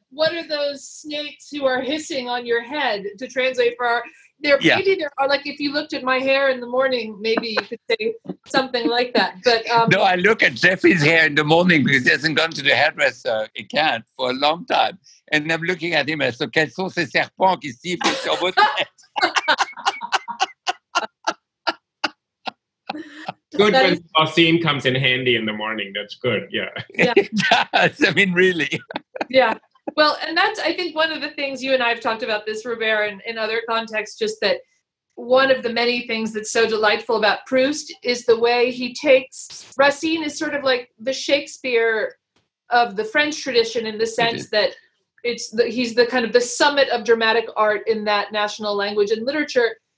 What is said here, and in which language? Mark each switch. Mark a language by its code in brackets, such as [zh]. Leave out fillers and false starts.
[en] what are those snakes who are hissing on your head, to translate for our, they're yeah. maybe there are, like, if you looked at my hair in the morning, maybe you could say something like that. But no, I look at Jeffy's hair in the morning because he hasn't gone to the hairdresser, he can't, for a long time. And I'm looking at him as, [fr] quels sont ces serpents qui sifflent sur votre tête? [en] Good when the scene comes in handy in the morning. That's good. Yeah. It does. I mean, really. Yeah. Well, and that's, I think, one of the things you and I have talked about this, Robert, and in other contexts, just that one of the many things that's so delightful about Proust is the way he takes, Racine is sort of like the Shakespeare of the French tradition, in the sense that it's the, he's the kind of the summit of dramatic art in that national language and literature.